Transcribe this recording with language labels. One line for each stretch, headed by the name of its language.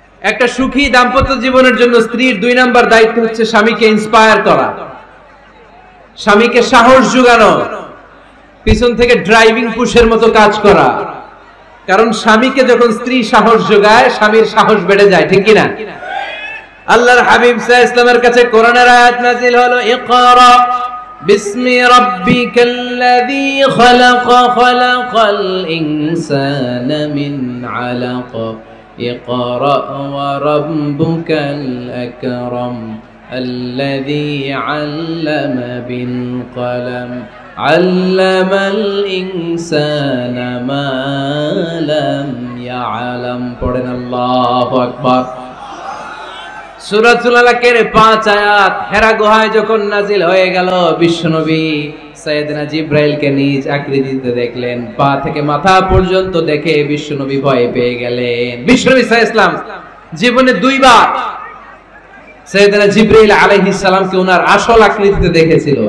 Bangla: একটা সুখী দাম্পত্য জীবনের জন্য স্ত্রীর 2 নম্বর দায়িত্ব হচ্ছে স্বামীকে ইন্সপায়ার করা, স্বামীকে সাহস যোগানো, পিছন থেকে ড্রাইভিং পুশের মতো কাজ করা। কারণ স্বামীকে যখন স্ত্রী সাহস যোগায় স্বামীর সাহস বেড়ে যায়, ঠিক কি না? আল্লাহর হাবিব সাল্লাল্লাহু আলাইহি ওয়াসাল্লামের কাছে কোরআনের আয়াত নাযিল হলো, ইকরা,
Arabic: بسم ربك الذي خلق خلق الإنسان من علق اقرأ وربك الأكرم الذي علم بالقلم علم الإنسان ما لم يعلم. قرن الله أكبر.
Bangla: সুরাতুল আলাকের পাঁচ আয়াত হেরা গুহায় যখন নাজিল হয়ে গেল, বিশ্বনবী সাইয়েদনা জিব্রাইলকে নিজ আকৃতিতে দেখলেন, পা থেকে মাথা পর্যন্ত দেখে বিশ্বনবী ভয় পেয়ে গেলেন। বিশ্বনবী সাল্লাল্লাহু আলাইহি ওয়াসাল্লাম জীবনে দুইবার সাইয়েদনা জিব্রাইল আলাইহিস সালামকে ওনার আসল আকৃতিতে দেখেছিল।